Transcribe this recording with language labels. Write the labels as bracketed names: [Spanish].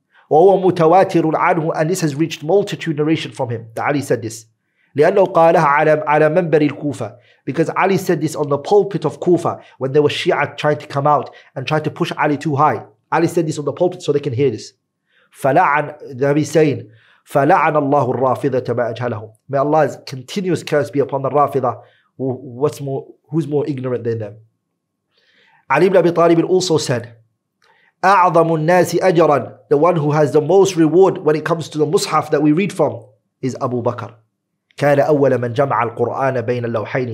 [Arabic] وهو متواتر عنه, [English] and this has reached multitude narration from him, that Ali said this. [Arabic] لأنه قالها على منبر الكوفة, [English] because Ali said this on the pulpit of Kufa when there was Shia trying to come out and trying to push Ali too high. Ali said this on the pulpit so they can hear this. [Arabic] فلعن, [English] Dhabi saying, [Arabic] فلعن الله الرافضة ما أجهلهم. [English] May Allah's continuous curse be upon the Rafida, who's more ignorant than them. Ali ibn Abi Talib also said, [Arabic] أعظم الناس أجرا, [English] the one who has the most reward when it comes to the Mus'haf that we read from is Abu Bakr. [Arabic] كان أول من جمع القرآن بين اللوحين.